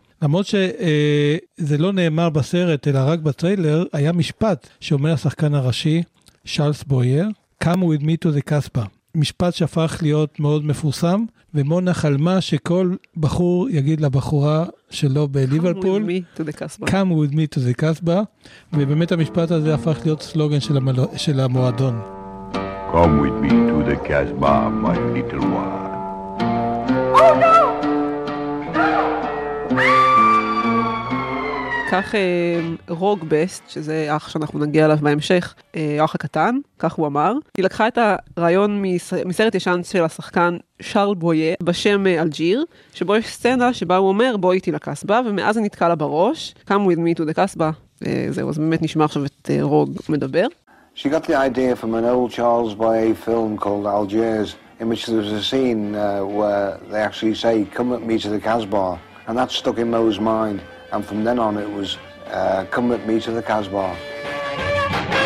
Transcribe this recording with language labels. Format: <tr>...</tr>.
<he>למרות שזה לא נאמר בסרט אלא רק בטריילר, היה משפט שאומר השחקן הראשי שרלס בויר,</he> <en>Come with me to the</en> <he>קסבה. משפט שהפך להיות מאוד מפורסם, ומונה חלמה שכל בחור יגיד לבחורה שלו בליברפול,</he> <en>Come with me to the</en> <he>קסבה, ובאמת המשפט הזה הפך להיות סלוגן של, של המועדון.</he> <en>Come with me to the קסבה, my little one. Oh no! No!</en> <he>קח רוג בסט, שזה אח שאנחנו נגיע אליו בהמשך, אח הקטן, כך הוא אמר. היא לקחה את הרעיון מסרט ישן של השחקן שרל בויה בשם אלג'יר, שבו יש סצנה שבה הוא אומר בואי איתי לקסבה, ומאז היא נתקעה לה בראש,</he> <en>come with me to the</en> <he>קסבה. זהו, אז באמת נשמע עכשיו את רוג מדבר.</he> <en>She got the idea from an old Charles Boyer film called Algiers, in which there was a scene where they actually say, come with me to the Casbah. And that stuck in Mo's mind. And from then on it was, come with me to the Casbah.</en>